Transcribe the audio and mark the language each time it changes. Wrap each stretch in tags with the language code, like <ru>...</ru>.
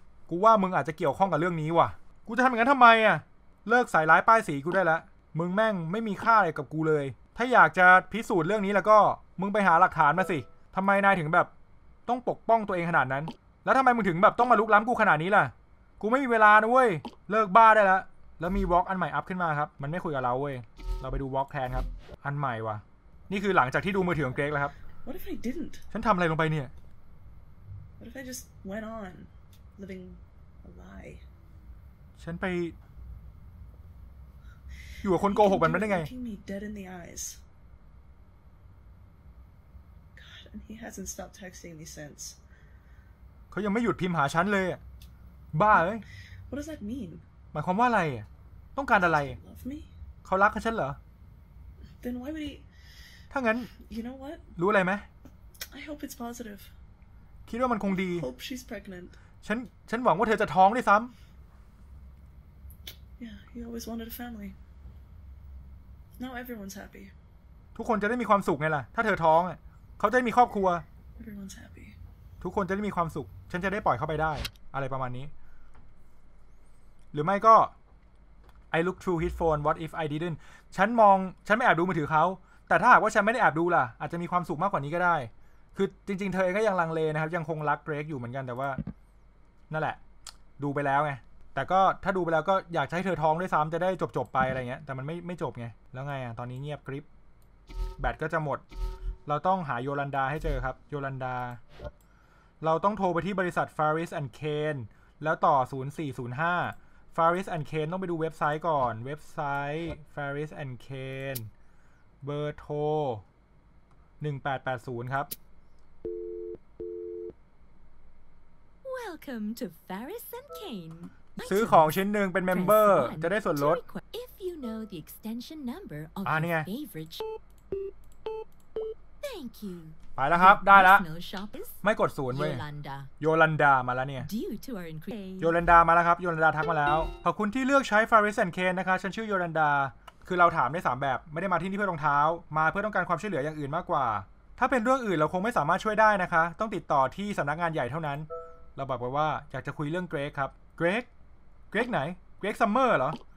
<th>กูว่ามึงอาจจะเกี่ยวข้องกับเรื่องนี้ว่ะกูจะทำอย่างนั้นทำไมอ่ะเลิกใส่ร้ายป้ายสีกูได้ละมึงแม่งไม่มีค่าอะไรกับกูเลยถ้าอยากจะพิสูจน์เรื่องนี้แล้วก็มึงไปหาหลักฐานมาสิทำไมนายถึงแบบต้องปกป้องตัวเองขนาดนั้นแล้วทำไมมึงถึงแบบต้องมาลุกล้ำกูขนาดนี้ล่ะกูไม่มีเวลานะเว้ยเลิกบ้าได้ละแล้วมีวอล์กอันใหม่อัพขึ้นมาครับมันไม่คุยกับเราเว้ยเราไปดูวอล์กแทนครับอันใหม่วะนี่คือหลังจากที่ดูมือถือของเกรกแล้วครับ</th> <en>What if I didn't</en> <th>ฉันทำอะไรลงไปเนี่ย</th> <en>What if I just went on living a lie</en> <th>ฉันไปอยู่กับคนโกหกมันได้ไง</th> <en>Looking me dead in the eyes God and he hasn't stopped texting me since</en> <th>เขายังไม่หยุดพิมพ์หาฉันเลยบ้าเลย</th> <en>What does that mean</en> <th>หมายความว่าอะไรต้องการอะไรเขารักฉันเหร</th> <en>อ Then why would he</en> <th>ถ้างั้น</th> <en>You know what</en> <th>รู้อะไรไหม</th> <en>I hope it's positive</en> <th>คิดว่ามันคงดี</th> <en>Hope she's pregnant</en> <th>ฉันหวังว่าเธอจะท้องด้วยซ้ำ</th> <en>Yeah he always wanted a family Now everyone's happy</en> <th>ทุกคนจะได้มีความสุขไงล่ะถ้าเธอท้องเขาจะมีครอบครัว</th> <en>Everyone's happy</en> <th>ทุกคนจะได้มีความสุขฉันจะได้ปล่อยเขาไปได้อะไรประมาณนี้หรือไม่ก็</th> <en>I look through his phone what if I didn't</en> <th>ฉันมองฉันไม่แอบดูมือถือเขา แต่ถ้าหากว่าฉันไม่ได้แอบดูล่ะอาจจะมีความสุขมากกว่านี้ก็ได้คือจริงๆเธอก็ยังลังเลนะครับยังคงรักเกรกอยู่เหมือนกันแต่ว่า นั่นแหละดูไปแล้วไงแต่ก็ถ้าดูไปแล้วก็อยากให้เธอท้องด้วยซ้ำจะได้จบๆไปอะไรเงี้ยแต่มันไม่จบไงแล้วไงอ่ะตอนนี้เงียบกริปแบตก็จะหมดเราต้องหาโยลันดาให้เจอครับโยลันดาเราต้องโทรไปที่บริษัท Faris and Kane แล้วต่อ0405 Faris and Kane ต้องไปดูเว็บไซต์ก่อนเว็บไซต์ Faris and Kane เบอร์โทร1880ครับ</th> <en>Welcome to Faris and Kane</en> <th>ซื้อของชิ้นหนึ่งเป็นเมมเบอร์จะได้ส่วนลด</th> <en>If you know the extension number of your favorite Thank you</en> <th>ไปแล้วครับได้แล้วไม่กดศูนย์เว้ยโยลันดามาแล้วเนี่ยโยลันดามาแล้วครับโยลันดาทักมาแล้วขอบคุณที่เลือกใช้ Faris and Kane นะคะฉันชื่อโยลันดาคือเราถามได้3แบบไม่ได้มาที่นี่เพื่อรองเท้ามาเพื่อต้องการความช่วยเหลืออย่างอื่นมากกว่าถ้าเป็นเรื่องอื่นเราคงไม่สามารถช่วยได้นะคะต้องติดต่อที่สำนักงานใหญ่เท่านั้นเราบอกไปว่าอยากจะคุยเรื่องเกรกครับเกรกเกรกไหนเกรกซัมเมอร์เหรอ</th>